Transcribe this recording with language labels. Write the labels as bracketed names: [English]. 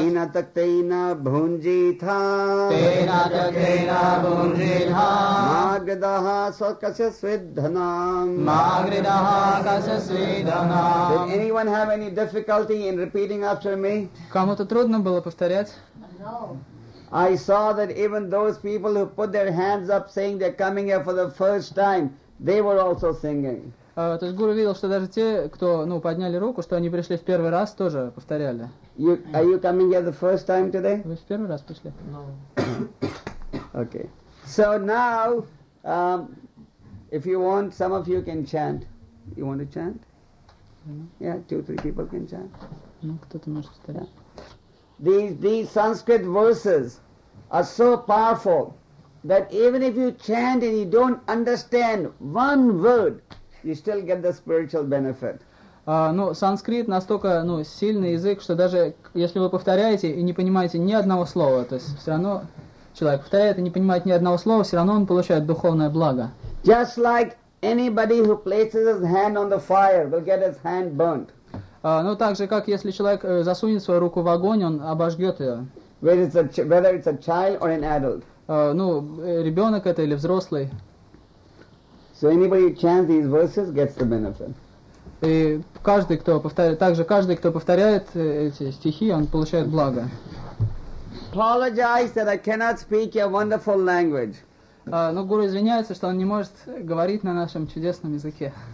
[Sanskrit] Tena Taktena Bhunjitha Tena Jagena Bhunjitha Magridaha Kasasvid Dhanam Magridaha Kasasvidhanam. [English] Did anyone have any difficulty in repeating after me? [Russian] Кому-то трудно было повторять? [English] No. I saw that even those people who put their hands up saying they're coming here for the first time, they were also singing. [Russian] То есть гуру видел, что даже те, кто, ну, подняли руку, что они пришли в первый раз, тоже повторяли. [English] You, are you coming here the first time today? [Russian] Вы в первый раз пришли? [English] No. Okay. So now... If you want, some of you can chant. You want to chant? Mm-hmm. Yeah, two, three people can chant. [Russian] Ну, кто-то может сказать. [English] Yeah. These Sanskrit verses are so powerful that even if you chant and you don't understand one word, you still get the spiritual benefit. [Russian] Ну, санскрит настолько, ну, сильный язык, что даже если вы повторяете и не понимаете ни одного слова, то есть все равно человек повторяет и не понимает ни одного слова, все равно он получает духовное благо. [English] Just like anybody who places his hand on the fire will get his hand burnt. [Russian] Ну так же, как если человек засунет свою руку в огонь, он обожжет ее. [English] Whether it's a child or an adult. [Russian] Ну, ребенок это или взрослый. [English] So anybody who chants these verses gets the benefit. [Russian] И каждый, кто повторяет, также каждый, кто повторяет эти стихи, он получает благо. [English] Apologize that I cannot speak your wonderful language. [Russian] Ну, гуру извиняется, что он не может говорить на нашем чудесном языке.